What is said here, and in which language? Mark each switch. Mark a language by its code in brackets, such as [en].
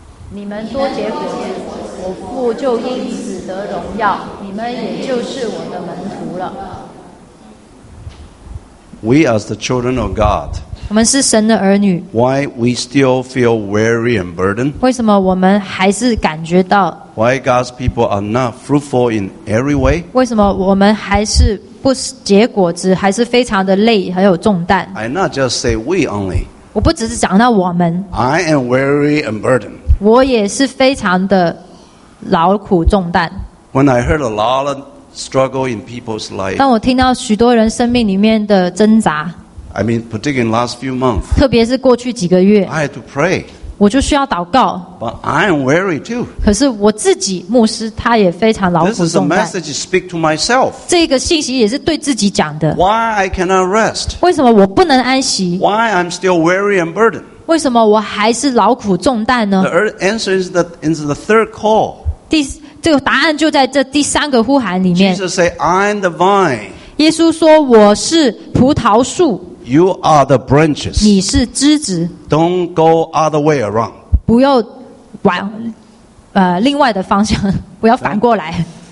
[zh] 你们多结果子，我父就因此得荣耀，你们也就是我的门徒了。 [en] We as the children of God. [zh] 我们是神的儿女。 [en] Why we still feel weary and burdened? [zh] 为什么我们还是感觉到 [en] ？Why God's people are not fruitful in every way? [zh] 为什么我们还是不结果子，还是非常的累，还有重担 [en] ？I not just say we only. [zh] 我不只是讲到我们。 [en] I am weary and burdened. [zh] 我也是非常的劳苦重担。 [en] When I heard a lot of struggle in people's life, [zh] 当我听到许多人生命里面的挣扎 [en] ，I mean, particularly in last few months, [zh] 特别是过去几个月 [en] ，I had to pray, [zh] 我就需要祷告。 [en] But I am weary too. [zh] 可是我自己牧师他也非常劳苦重担。 [en] This is a message to speak to myself. [zh] 这个信息也是对自己讲的。 [en] Why I cannot rest? [zh] 为什么我不能安息 [en] ？Why I'm still weary and burdened? [zh] 为什么我还是劳苦重担呢 [en] ？The answer is that in the third call. [zh] 这个答案就在这第三个呼喊里面。 [en] Jesus say, "I'm the vine." [zh] 耶稣说我是葡萄树。 [en] You are the branches. [zh] 你是枝子。 [en] Don't go other way around. [zh] 不要往另外的方向，不要反过来。